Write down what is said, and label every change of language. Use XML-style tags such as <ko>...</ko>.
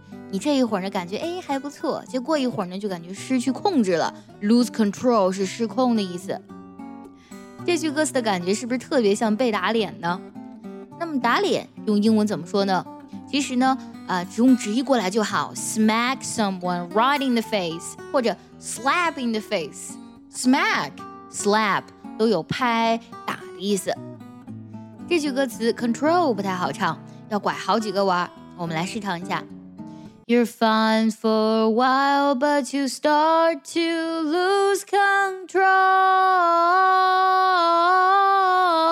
<zh>你这一会儿呢感觉哎还不错，结果一会儿呢就感觉失去控制了。</zh> <en>Lose control</en> <zh>是失控的意思。这句歌词的感觉是不是特别像被打脸呢？那么打脸用英文怎么说呢？其实呢只用直译过来就好，</zh> <en>smack someone right in the face,</en> <zh>或者</zh> <en>slap in the face,</en> <zh>smack, slap, 都有拍打的意思。这句歌词 control 不太好唱，要拐好几个弯，我们来试唱一下。</zh> <en>You're fine for a while but you start to lose control.</en>